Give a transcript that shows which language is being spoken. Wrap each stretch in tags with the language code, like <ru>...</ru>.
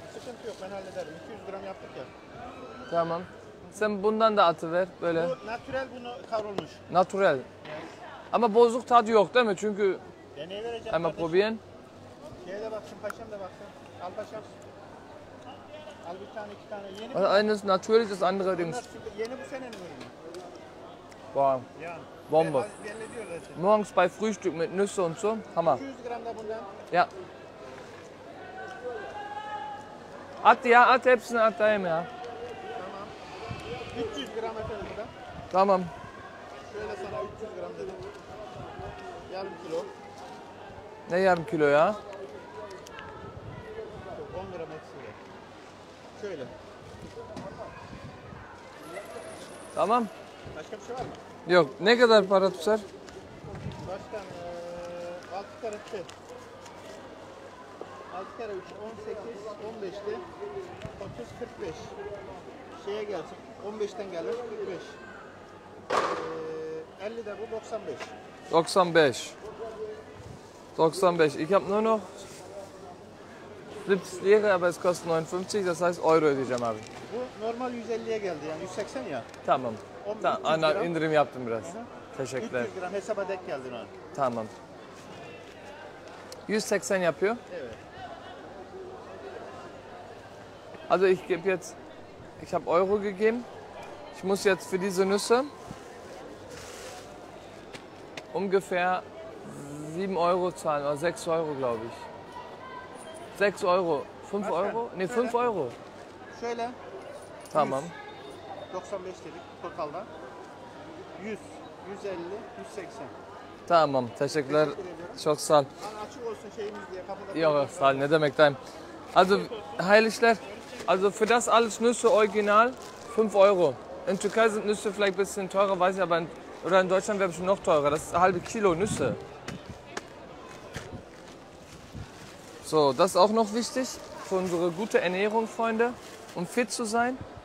<tr>Sıkıntı yok, ben hallederim. 200 Gramm yaptık ya. Tamam. Sen bundan da atı ver böyle. Bu natürel, bunu kavrulmuş. Natürel. Ama bozuk tadı yok değil mi? Çünkü... Deney vereceğim. Ama probiyen. Şeye de baksın, paşam da baksın. Al paşam. Al bir tane, iki tane. Yeni bir tane.</tr> <de>Eines natürlich, das andere Dings.</de> <tr>Yeni bu senenin ürünü.</tr> <de>Boah. Ja. Bombe. Morgens bei Frühstück mit Nüsse und so. Hammer.</de> <tr>200 Gramm da bundan.</tr> <de>Ja.</de> <tr>At ya, at hepsini atayım ya. 300 gram efendim burada. Tamam. Şöyle sana 300 gram dedim. Yarım kilo. Ne yarım kilo ya? 10 gram eksiyle. Şöyle. Tamam. Başka bir şey var mı? Yok. Ne kadar para tutar? Baştan 6 kere 3. 6 kere 3, 18, 15'ti. 30, 45. Şeye gelsin. 15'ten gelir, 45. 50 de bu, 95. 95. 95.</tr> <de>Ich habe nur noch 70 Lira, aber es kostet 59, das heißt</de> <tr>Euro ödeyeceğim abi. Bu normal 150'ye geldi yani, 180 ya. Tamam. Tamam, indirim yaptım biraz. Aha. Teşekkürler. 300 gram hesaba denk geldi abi. Tamam. 180 yapıyor. Evet.</tr> <de>Also ich gebe jetzt, ich habe Euro gegeben. Ich muss jetzt für diese Nüsse ungefähr 7 Euro zahlen, oder 6 Euro, glaube ich. 6 Euro. 5 Euro? Ne, 5 Euro.</de> <tr>Şöyle. Tamam. 95 dedik, totalda. 100, 150, 180. Tamam, teşekkürler. Çok sağ ol. Bana açık olsun şeyimiz diye kapıda. Yok, sağ ol. Ne demek, dayım. Also, hayırlı işler.</tr> <de>Also, für das alles Nüsse original, 5 Euro. In Türkei sind Nüsse vielleicht ein bisschen teurer, weiß ich, aber in Deutschland wäre es schon noch teurer. Das ist eine halbe Kilo Nüsse. So, das ist auch noch wichtig für unsere gute Ernährung, Freunde, um fit zu sein.</de>